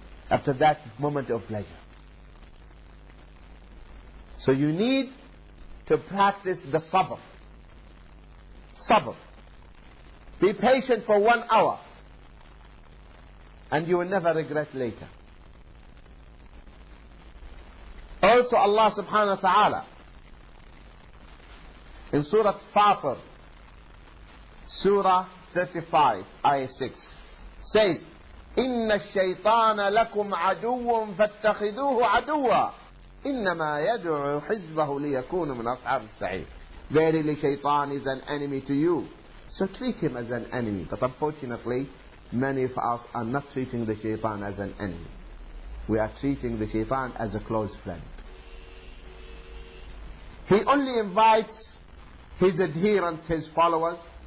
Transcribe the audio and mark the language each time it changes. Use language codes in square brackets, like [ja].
[en] After that moment of pleasure. So you need to practice the sabr. Sabr. Be patient for 1 hour. And you will never regret later. Also Allah subhanahu wa ta'ala in Surah Fatir, Surah 35, Ayah 6, says, [ar] إِنَّ الشَّيْطَانَ لَكُمْ عَدُوٌّ فَاتَّخِذُوهُ عَدُوًّا إِنَّمَا يَدْعُوا حِزْبَهُ لِيَكُونُ مِنْ أَصْحَابِ السَّعِيرِ. [en] Verily, shaitan is an enemy to you. So treat him as an enemy. But unfortunately, many of us are not treating the shaitan as an enemy. We are treating the shaitan as a close friend. He only invites his adherents, his followers.